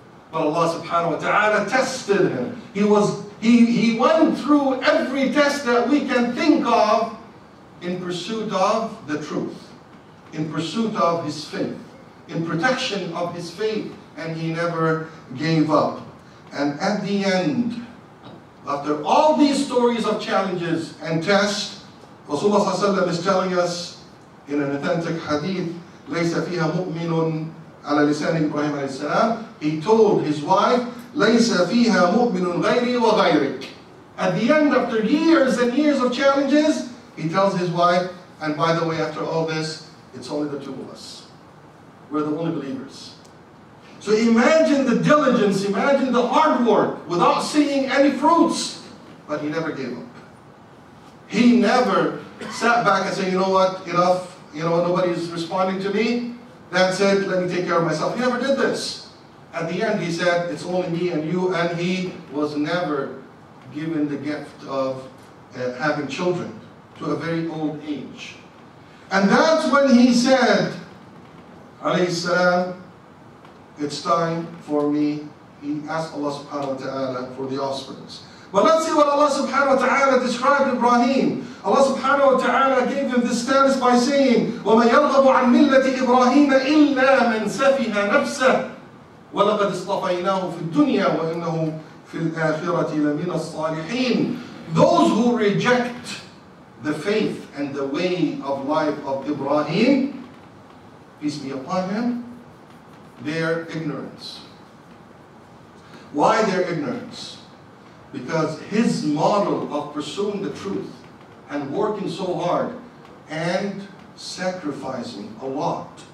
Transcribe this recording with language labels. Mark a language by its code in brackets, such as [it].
[en] But Allah subhanahu wa ta'ala tested him. He went through every test that we can think of in pursuit of the truth, in pursuit of his faith, in protection of his faith, and he never gave up. And at the end, after all these stories of challenges and tests, Rasulullah [ar] صلى الله عليه وسلم [en] is telling us in an authentic hadith, [ar] لَيْسَ فِيهَا مُؤْمِنٌ عَلَى لِسَانِ إِبْرَاهِيمَ عَلَيْهِ السَّلَامِ. [en] He told his wife, [ar] لَيْسَ فِيهَا مُؤْمِنٌ غَيْرِي وَغَيْرِكَ. [en] At the end, after years and years of challenges, he tells his wife, and by the way, after all this, it's only the two of us. We're the only believers. So imagine the diligence, imagine the hard work without seeing any fruits. But he never gave up. He never sat back and said, you know what, enough. You know, nobody's responding to me. That's it. Let me take care of myself. He never did this. At the end, he said, it's only me and you. And he was never given the gift of having children to a very old age. And that's when he said, alayhi salam, it's time for me. He asked Allah subhanahu wa ta'ala for the offspring. But let's see what Allah subhanahu wa ta'ala described Ibrahim. Allah subhanahu wa ta'ala gave him this status by saying, [ar] وَمَنْ يَرْغَبُ عَنْ مِلَّةِ إِبْرَاهِيمَ إِلَّا مَنْ سَفِهَا نَفْسَهُ وَلَقَدْ اصْطَفَيْنَاهُ فِي الدُّنْيَا وَإِنَّهُ فِي الْآخِرَةِ لَمِنَ الصَّالِحِينَ. [en] Those who reject the faith and the way of life of Ibrahim, peace be upon him, their ignorance. Why their ignorance? Because his model of pursuing the truth and working so hard and sacrificing a lot.